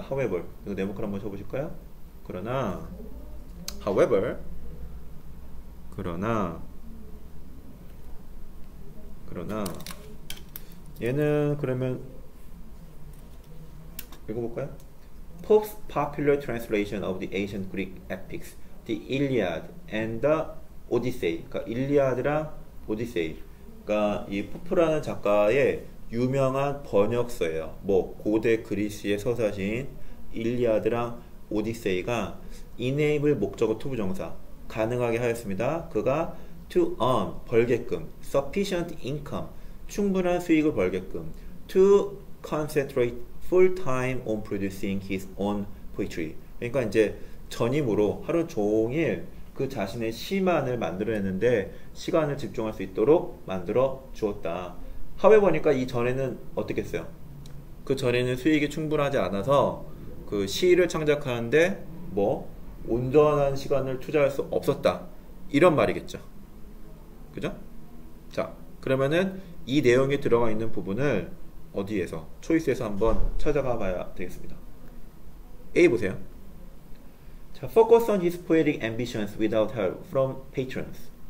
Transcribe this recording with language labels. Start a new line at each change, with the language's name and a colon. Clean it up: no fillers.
Korean: However, 이거 네모칸 한번 쳐보실까요? 그러나, however, 그러나 얘는 그러면 읽어볼까요?
English: Pope's popular translation of the ancient Greek epics, the Iliad and the Odyssey.
Korean: 그러니까 일리아드랑 오디세이. 그러니까 이 포프라는 작가의 유명한 번역서예요. 뭐 고대 그리스의 서사시인 일리아드랑 오디세이가 enable 목적어 to 부정사 가능하게 하였습니다. 그가
English: to earn
Korean: 벌게끔
English: sufficient income
Korean: 충분한 수익을 벌게끔
English: to concentrate full time on producing his own poetry.
Korean: 그러니까 이제 전임으로 하루 종일 그 자신의 시만을 만들어내는데 시간을 집중할 수 있도록 만들어 주었다. 하웨버니까 이 전에는 어떻겠어요? 그 전에는 수익이 충분하지 않아서 그 시를 창작하는데 뭐 온전한 시간을 투자할 수 없었다. 이런 말이겠죠. 그죠? 자, 그러면은 이 내용이 들어가 있는 부분을 어디에서 초이스에서 한번 찾아가 봐야 되겠습니다. A 보세요.
English: 자, focus on his poetic ambitions without help from patrons.